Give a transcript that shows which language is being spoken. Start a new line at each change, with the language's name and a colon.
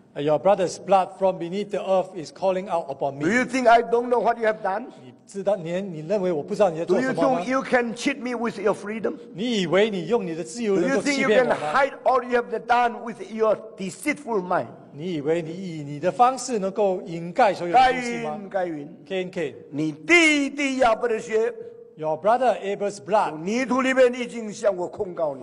English: Your brother's blood from beneath the earth is calling out upon me. Do you think I don't know what you have done?
Chinese: 你知道你认为我不知道你在做什么吗？
English: Do you think you can cheat me with your freedom?
Chinese: 你以为你用你的自由能够欺骗我吗？
English: Do you think you can hide all you have done with your deceitful mind?
Chinese: 你以为你以你的方式能够掩盖所有的东西吗？该隐，该隐，
English: Cain,
Chinese: 你弟弟亚伯的血。
English: Your brother Abel's blood
Chinese: 泥土里面已经向我控告你。